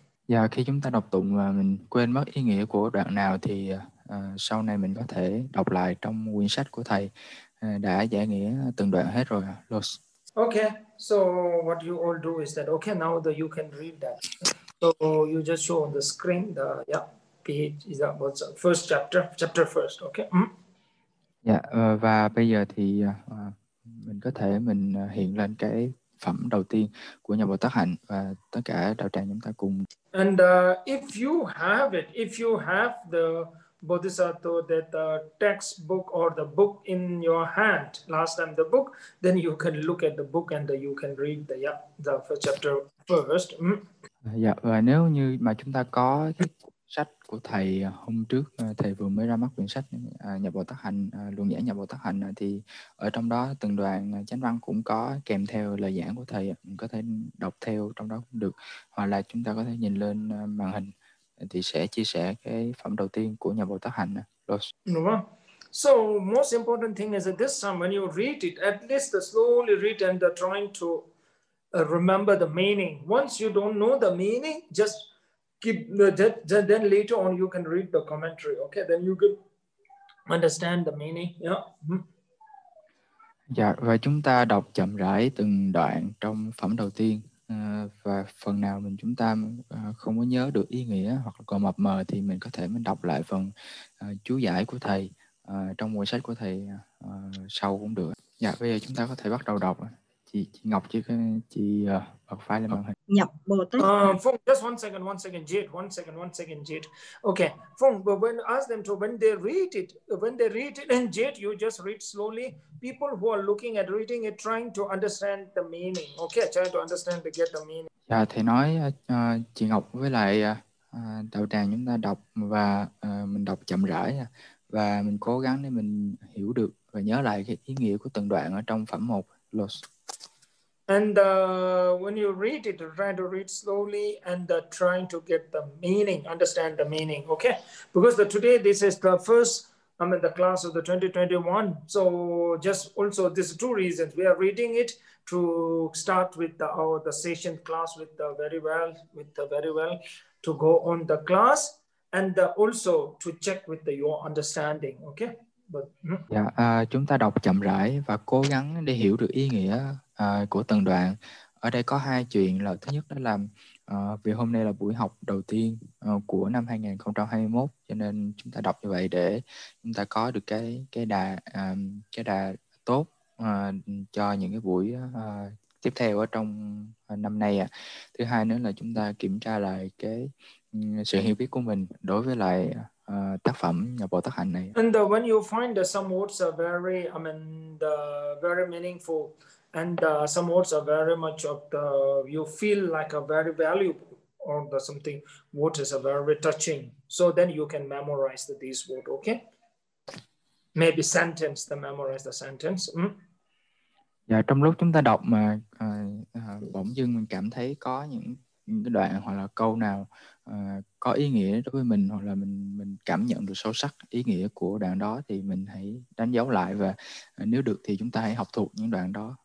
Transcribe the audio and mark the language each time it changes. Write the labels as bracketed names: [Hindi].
[Vietnamese] Dạ, khi chúng ta đọc tụng mà mình quên mất ý nghĩa của đoạn nào thì sau này mình có thể đọc lại trong quyển sách của thầy đã giải nghĩa từng đoạn hết rồi à. [English] Okay, so what you all do is that okay, now that you can read that. So you just show on the screen the page is about the first chapter, chapter first, okay. [Vietnamese] Dạ, và bây giờ thì mình có thể mình hiện lên cái phẩm đầu tiên của nhà Bồ Tát Hạnh và tất cả đạo tràng chúng ta cùng. [English] And if you have the Bodhisattva, that the textbook or the book in your hand, last time the book, then you can look at the book and you can read the the first chapter first. [Vietnamese] Dạ, và nếu như mà chúng ta có cái sách của thầy hôm trước, thầy vừa mới ra mắt quyển sách nhà Bồ Tát Hạnh, luận giải nhà Bồ Tát Hạnh, thì ở trong đó từng đoạn chánh văn cũng có kèm theo lời giảng của thầy, mình có thể đọc theo trong đó cũng được, hoặc là chúng ta có thể nhìn lên màn hình thì sẽ chia sẻ cái phẩm đầu tiên của nhà Bồ Tát Hạnh. [English] So most important thing is that this time when you read it, at least slowly read and trying to remember the meaning. Once you don't know the meaning, just keep that, then later on you can read the commentary. Okay, then you can understand the meaning. [Vietnamese] Dạ, và chúng ta đọc chậm rãi từng đoạn trong phẩm đầu tiên, và phần nào mình chúng ta không có nhớ được ý nghĩa hoặc là còn mập mờ thì mình có thể mình đọc lại phần chú giải của thầy trong quyển sách của thầy sau cũng được. Dạ, bây giờ chúng ta có thể bắt đầu đọc. Chị Ngọc, chị bật file lên màn hình. Nhập Bồ Tát. [English] Just one second, Jade. Okay, Phong, but when ask them to when they read it in Jade, you just read slowly. People who are looking at reading it, trying to understand the meaning. Okay, trying to understand to get the meaning. [Vietnamese] Dạ, thầy nói chị Ngọc với lại đạo tràng chúng ta đọc và mình đọc chậm rãi và mình cố gắng để mình hiểu được và nhớ lại cái ý nghĩa của từng đoạn ở trong phẩm 1. [English] And when you read it, try to read slowly and trying to get the meaning, understand the meaning, okay? Because today this is the first, the class of the 2021. So just also this two reasons. We are reading it to start with the session class with the very well, to go on the class and also to check with your understanding, okay? [Vietnamese] Dạ, chúng ta đọc chậm rãi và cố gắng để hiểu được ý nghĩa của từng đoạn. Ở đây có hai chuyện, là thứ nhất đó là Vì hôm nay là buổi học đầu tiên của năm 2021, cho nên chúng ta đọc như vậy để chúng ta có được cái đà tốt cho những cái buổi tiếp theo ở trong năm nay ạ. Thứ hai nữa là chúng ta kiểm tra lại cái sự hiểu biết của mình đối với lại tác phẩm nhà Bồ Tát Hạnh này. [English] And when you find some words are very, I mean, very meaningful, and some words are very much of the, you feel like a very valuable or the something, words is a very touching. So then you can memorize the, these words, okay? Maybe sentence, the memorize the sentence. Mm? [Vietnamese] Dạ, trong lúc chúng ta đọc mà bỗng dưng mình cảm thấy có những cái đoạn hoặc là câu nào có ý nghĩa đối với mình, hoặc là mình cảm nhận được sâu sắc ý nghĩa của đoạn đó, thì mình hãy đánh dấu lại, và nếu được thì chúng ta hãy học thuộc những đoạn đó.